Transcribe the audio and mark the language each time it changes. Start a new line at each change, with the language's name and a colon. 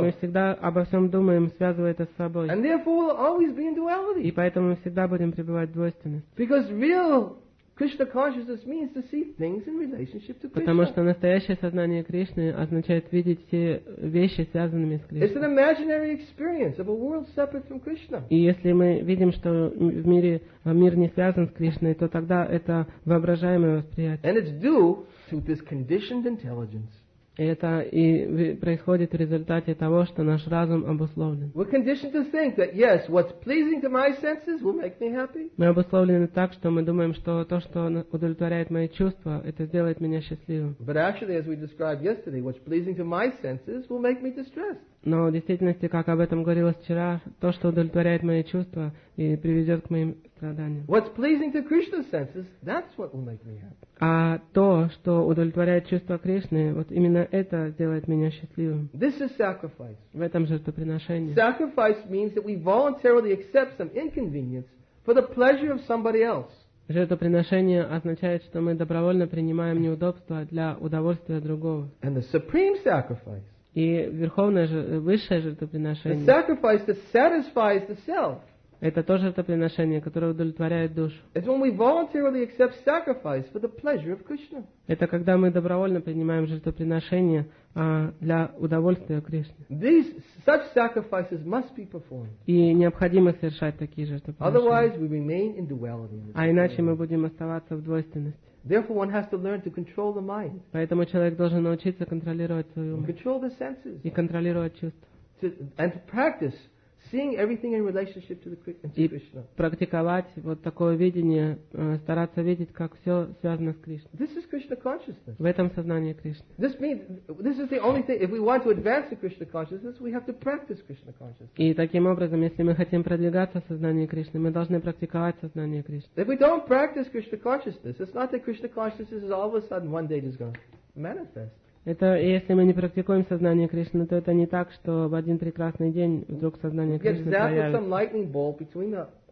Russian: Мы всегда обо всем думаем, связывая это с собой.
English: And therefore, we'll always be in duality.
Russian: И поэтому мы всегда будем пребывать в двойственности.
English: Because real Krishna consciousness means to see things in relationship to Krishna.
Russian: Потому что настоящее сознание Кришны означает видеть все вещи, связанными с Кришной.
English: It's an imaginary experience of a world separate from Krishna.
Russian: И если мы видим, что в мире мир не связан с Кришной, то тогда это воображаемое восприятие.
English: And it's due to this conditioned intelligence.
Russian: Это и происходит в результате того, что наш разум обусловлен.
English: We're conditioned to think that yes, what's pleasing to my senses will make me happy.
Russian: Мы обусловлены так, что мы думаем, что то, что удовлетворяет мои чувства, это сделает меня счастливым.
English: But actually, as we described yesterday, what's pleasing to my senses will make me distressed.
Russian: Но в действительности, как об этом говорилось вчера, то, что удовлетворяет мои чувства и приведет к моим страданиям.
English: What's pleasing to Krishna's senses, that's what will make me happy.
Russian: А то, что удовлетворяет чувства Кришны, вот именно это сделает меня счастливым.
English: This is sacrifice.
Russian: В этом жертвоприношение.
English: Sacrifice means that we voluntarily accept some inconvenience for the pleasure of somebody else.
Russian: Жертвоприношение означает, что мы добровольно принимаем неудобства для удовольствия другого.
English: And the supreme sacrifice.
Russian: И верховное, высшее жертвоприношение.
English: The sacrifice that satisfies the self.
Russian: Это то жертвоприношение, которое удовлетворяет душу.
English: It's when we voluntarily accept sacrifice for the pleasure of Krishna.
Russian: Это когда мы добровольно принимаем жертвоприношение для удовольствия Кришны.
English: These such sacrifices must be performed.
Russian: И необходимо совершать такие жертвоприношения.
English: Otherwise, we remain in duality.
Russian: А иначе мы будем оставаться в двойственности.
English: Therefore, one has to learn to control the mind.
Russian: Поэтому человек должен научиться контролировать свой ум.
English: Control the senses.
Russian: И контролировать чувства.
English: And to practice seeing everything in relationship to the Krishna.
Russian: И практиковать вот такое видение, стараться видеть, как все связано с Кришной.
English: This is Krishna consciousness.
Russian: В этом сознании Кришны.
English: This means this is the only thing. If we want to advance the Krishna consciousness, we have to practice Krishna consciousness.
Russian: И таким образом, если мы хотим продвигаться в сознании Кришны, мы должны практиковать сознание Кришны.
English: If we don't practice Krishna consciousness, it's not that Krishna consciousness is all of a sudden one day just going to manifest.
Russian: Это если мы не практикуем сознание Кришны, то это не так, что в один прекрасный день вдруг сознание Кришны появится.